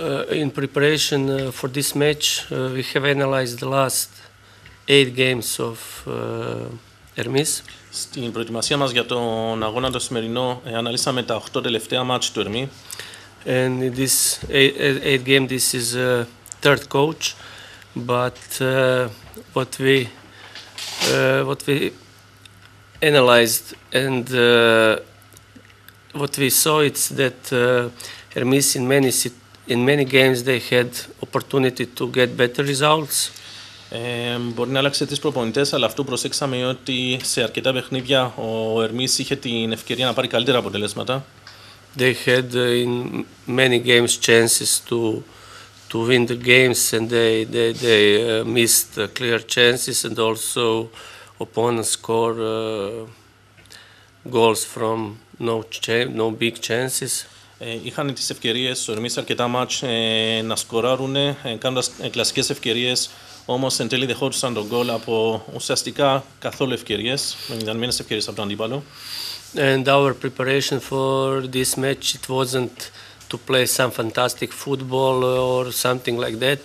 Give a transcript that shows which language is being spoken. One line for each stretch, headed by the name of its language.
English: In preparation for this match, we have analyzed the last 8 games of Hermes.
Greek: Στην προετοιμασία μας για τον αγώνα το σημερινό, αναλύσαμε τα 8 τελευταία μάτς του Hermes.
English: And in this 8 game, this is third coach. but what we analyzed and what we saw is that Hermes in many games they had opportunity to get better results.
Greek: Μπορεί να αλλάξει τις προπονητές, αλλά αυτό προσέξαμε ότι σε αρκετά παιχνίδια ο Ερμής είχε την ευκαιρία να πάρει καλύτερα αποτελέσματα.
English: They had in many games chances to win the games and they missed clear chances and also opponents score goals from no big chances.
Greek: Είχαν τις ευκαιρίες ο Ερμής αρκετά μάτς να σκοράρουν, κάνοντας κλασικές ευκαιρίες. Όμως εν τέλει δεχόντουσαν τον γκολ από ουσιαστικά καθόλου ευκαιρίες, με μηδαμινές ευκαιρίες από τον αντίπαλο.
English: And our preparation for this match it wasn't to play some fantastic football or something like that.